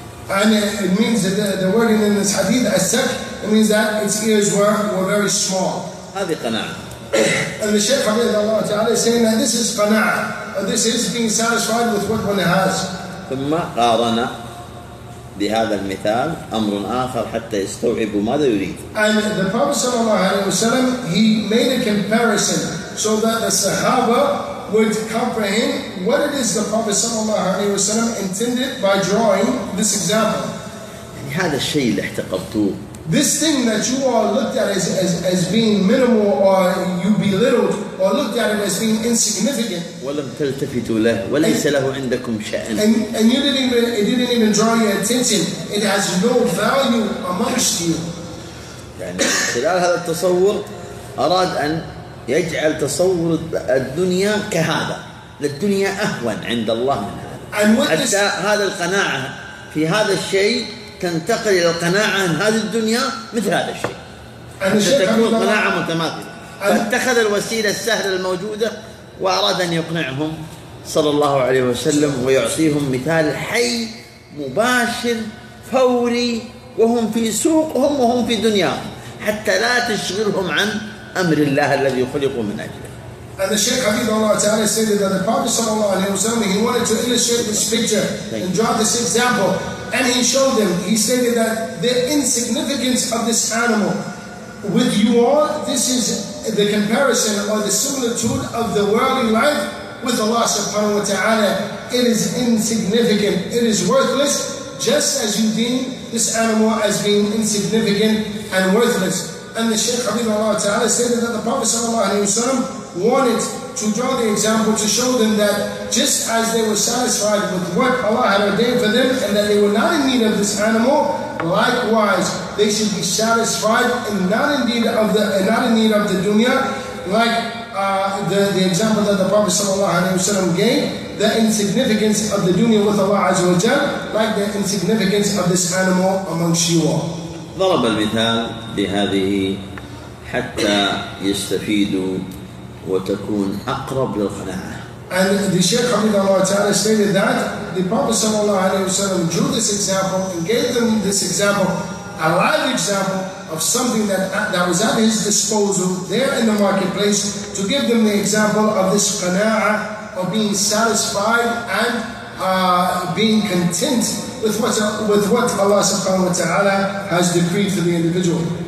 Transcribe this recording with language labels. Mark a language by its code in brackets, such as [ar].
[en] And it means that the wording in this hadith, السك, it means that its ears were very small. And the Shaykh Habib Allah Ta'ala is saying that this is qana'ah, or this is being satisfied with what one has. [ar] ثم قارن بهذا المثال أمر آخر حتى يستوعب ماذا يريد. [en] And the Prophet صلى الله عليه وسلم, he made a comparison so that the Sahaba would comprehend what it is the Prophet صلى الله عليه وسلم intended by drawing this example. [ar] يعني هذا الشيء اللي احتقرتوه. [en] This thing that you all looked at as being minimal or you belittled, or looked at him as being insignificant. [ar] ولم تلتفتوا له وليس له عندكم شأن. [en] And you didn't even, it didn't even draw your attention. It has no value amongst you. [ar] يعني خلال هذا التصور أراد أن يجعل تصور الدنيا كهذا. للدنيا أهون عند الله من هذا. حتى هذا القناعة في هذا الشيء تنتقل إلى القناعة عن هذه الدنيا مثل هذا الشيء. تكون قناعة متماثلة. فاتخذ الوسيلة السهلة الموجودة وأراد أن يقنعهم صلى الله عليه وسلم ويعطيهم مثال حي مباشر فوري وهم في سوقهم وهم في دنياهم حتى لا تشغلهم عن أمر الله الذي خلقوا من أجله. [en] And the Shaykh Hafidhullah Ta'ala stated that the Prophet Sallallahu Alaihi Wasallam, he wanted to illustrate this picture and draw this example. And he showed them, he stated that the insignificance of this animal with you all, this is the comparison or the similitude of the worldly life with Allah Subhanahu Wa Ta'ala. It is insignificant, it is worthless, just as you deem this animal as being insignificant and worthless. And the Shaykh Hafidhullah Ta'ala stated that the Prophet Sallallahu Alaihi Wasallam wanted to draw the example to show them that just as they were satisfied with what Allah had ordained for them and that they were not in need of this animal, likewise they should be satisfied and not in need of the dunya, like the example that the Prophet sallallahu alaihi wasallam gave, the insignificance of the dunya with Allah azza wa jalla, like the insignificance of this animal amongst you all. [ar] ضرب المثال بهذه حتى يستفيدوا وتكون أقرب للقناعة. [en] And the Shaykh Hafidhullah Ta'ala stated that the Prophet Sallallahu Alaihi Wasallam drew this example and gave them this example, a live example of something that was at his disposal there in the marketplace to give them the example of this qana'ah of being satisfied and being content with what Allah Subhanahu Wa Ta'ala has decreed for the individual.